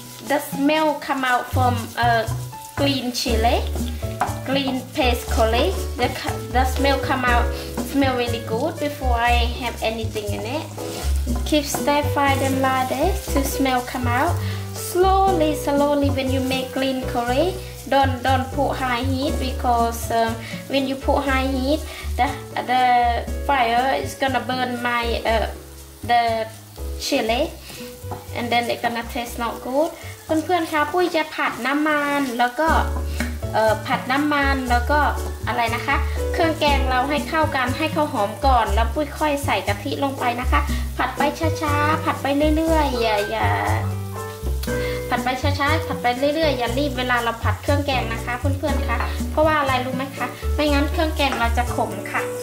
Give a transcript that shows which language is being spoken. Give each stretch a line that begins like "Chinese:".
English: the smell come out from green chili green paste curry the smell come out smell really good before I have anything in itKeep stir fry them like this to smell come out. Slowly when you make green curry, don't put high heat because when you put high heat, the fire is gonna burn my the chili, and then it gonna taste not good.
Thai: เพื่อนๆคะปุ้ยจะผัดน้ำมันแล้วก็ผัดน้ำมันแล้วก็อะไรนะคะเครื่องแกงเราให้เข้ากันให้เขาหอมก่อนแล้วปุ้ยค่อยใส่กะทิลงไปนะคะผัดไปช้าๆผัดไปเรื่อยๆอย่า ผัดไปช้าๆผัดไปเรื่อยๆอย่ารีบเวลาเราผัดเครื่องแกงนะคะเพื่อนๆคะเพราะว่าอะไรรู้ไหมคะไม่งั้นเครื่องแกงเราจะขมค่ะ